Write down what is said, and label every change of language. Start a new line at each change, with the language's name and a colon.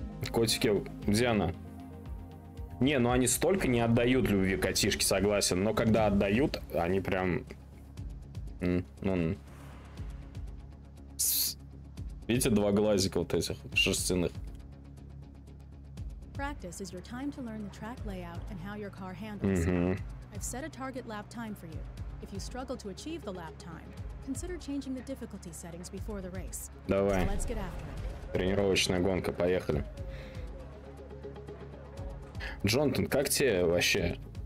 Russian: Котики, Диана. Не, ну они столько не отдают любви котишке, согласен. Но когда отдают, они прям... Видите, два глазика вот этих шерстяных.
English: Practice is your time to learn the track layout and how your car handles. I've set a target lap time for you. If you struggle to achieve the lap time, consider changing the difficulty settings before the race.
Russian: Давай.
English: So let's get after it.
Russian: Тренировочная гонка, поехали. Джонатан, как тебе вообще?